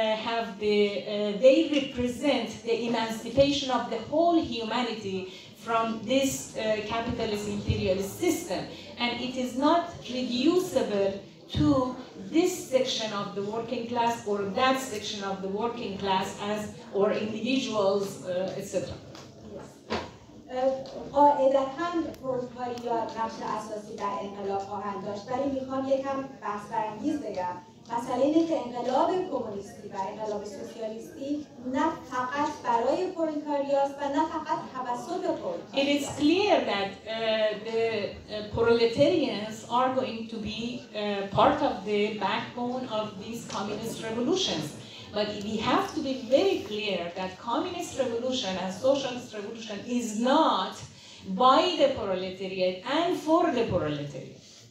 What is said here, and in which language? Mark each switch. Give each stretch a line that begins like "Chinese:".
English: have the they represent the emancipation of the whole humanity from this capitalist imperialist system, and it is not reducible to this section of the working class or that section of the working class as or individuals, etc.
Persian: قاعدتاً پرولتاریا نقش اساسی در انقلاب خواهند داشت، ولی میخوام یکم بحث برانگیز بگم. مسئله اینه که انقلاب کمونیستی و انقلاب سوسیالیستی نه فقط برای پرولتاریاست و نه فقط توسط پرولتاریا.
English: It is clear that the proletarians are going to be part of the backbone of these communist revolutions. But we have to be very clear that communist revolution and socialist revolution is not by the proletariat and for the proletariat.